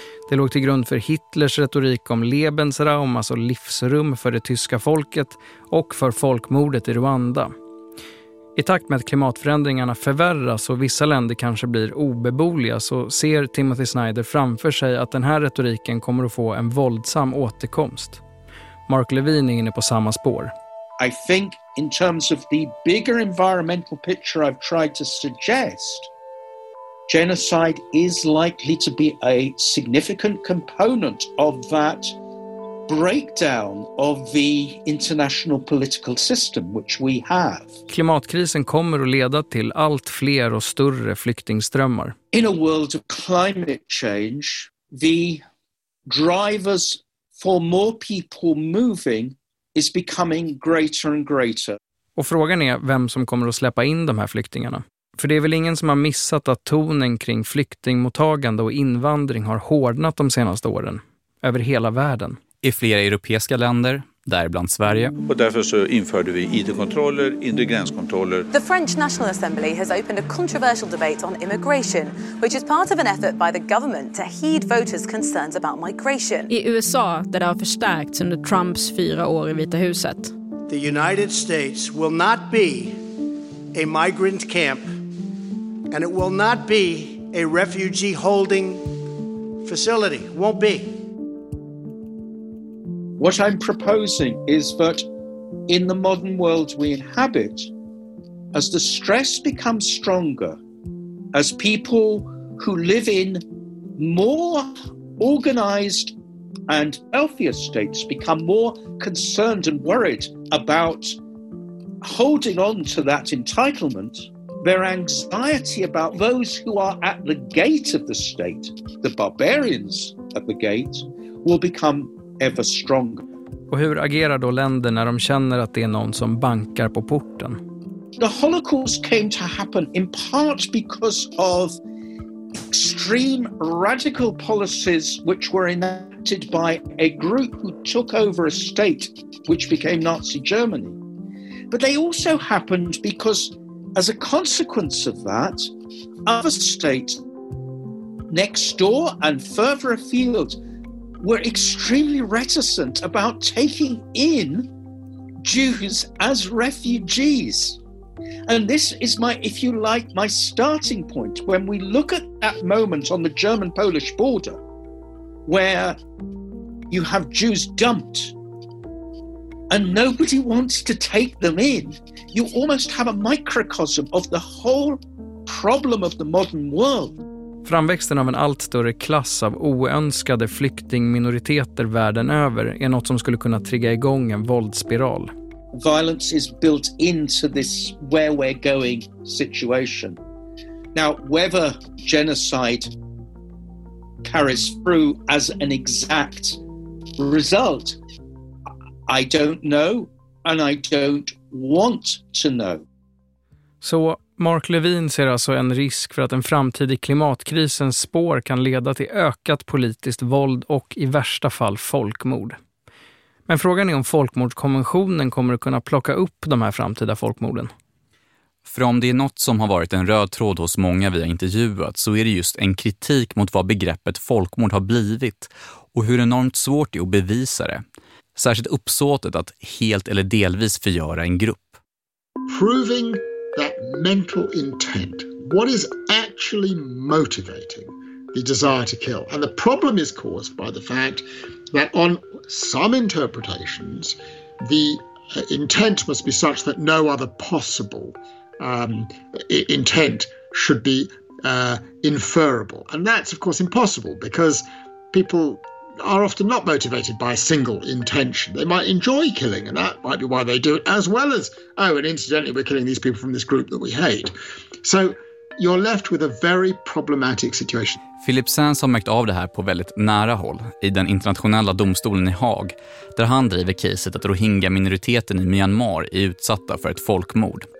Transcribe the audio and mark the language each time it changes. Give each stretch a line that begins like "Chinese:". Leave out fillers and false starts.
Swedish: Det låg till grund för Hitlers retorik om Lebensraum, alltså livsrum för det tyska folket, och för folkmordet i Rwanda. I takt med att klimatförändringarna förvärras och vissa länder kanske blir obeboliga så ser Timothy Snyder framför sig att den här retoriken kommer att få en våldsam återkomst. Mark Levin är inne på samma spår.
English: I think in terms of the bigger environmental picture I've tried to suggest, genocide is likely to be a significant component of that breakdown of the international political system which we have.
Swedish: Klimatkrisen kommer att leda till allt fler och större flyktingströmmar.
English: In a world of climate change, the drivers for more people moving is becoming greater and greater.
Swedish: Och frågan är vem som kommer att släppa in de här flyktingarna. För det är väl ingen som har missat att tonen kring flyktingmottagande och invandring har hårdnat de senaste åren, över hela världen. I flera europeiska länder, däribland Sverige. Och därför så införde vi ID-kontroller, inre gränskontroller.
English: The French National Assembly has opened a controversial debate on immigration, which is part of an effort by the government to heed voters' concerns about migration.
Swedish: I USA, där det har förstärkts under Trumps 4 år i Vita huset.
English: The United States will not be a migrant camp, and it will not be a refugee holding facility. Won't be. What I'm proposing is that in the modern world we inhabit, as the stress becomes stronger, as people who live in more organized and healthier states become more concerned and worried about holding on to that entitlement, their anxiety about those who are at the gate of the state, the barbarians at the gate, will become ever stronger.
Swedish: Och hur agerar då länder när de känner att det är någon som bankar på porten?
English: The Holocaust came to happen in part because of extreme radical policies which were enacted by a group who took over a state which became Nazi Germany. But they also happened because, as a consequence of that, other states next door and further afield were extremely reticent about taking in Jews as refugees. And this is my, if you like, my starting point. When we look at that moment on the German-Polish border, where you have Jews dumped, and nobody wants to take them in, you almost have a microcosm of the whole problem of the modern world.
Swedish: Framväxten av en allt större klass av oönskade flyktingminoriteter världen över är något som skulle kunna trigga igång en våldsspiral.
English: Violence is built into this where we're going situation. Now, whether genocide carries through as an exact result, I don't know and I don't want to know.
Swedish: Så Mark Levin ser alltså en risk för att en framtid i klimatkrisens spår kan leda till ökat politiskt våld och i värsta fall folkmord. Men frågan är om folkmordskonventionen kommer att kunna plocka upp de här framtida folkmorden. För om det är något som har varit en röd tråd hos många vi har intervjuat så är det just en kritik mot vad begreppet folkmord har blivit och hur enormt svårt det är att bevisa det. Särskilt uppsåtet att helt eller delvis förgöra en grupp.
English: Proving that mental intent, what is actually motivating the desire to kill. And the problem is caused by the fact that on some interpretations, the intent must be such that no other possible intent should be inferable. And that's, of course, impossible, because people are often not motivated by a single intention. They might enjoy killing, and that might be why they do it, as well as, oh, and incidentally, we're killing these people from this group that we hate. So you're left with a very problematic situation.
Swedish: Philip Sands har märkt av det här på väldigt nära håll i den internationella domstolen i Haag, där han driver caset att Rohingya-minoriteten i Myanmar är utsatta för ett folkmord.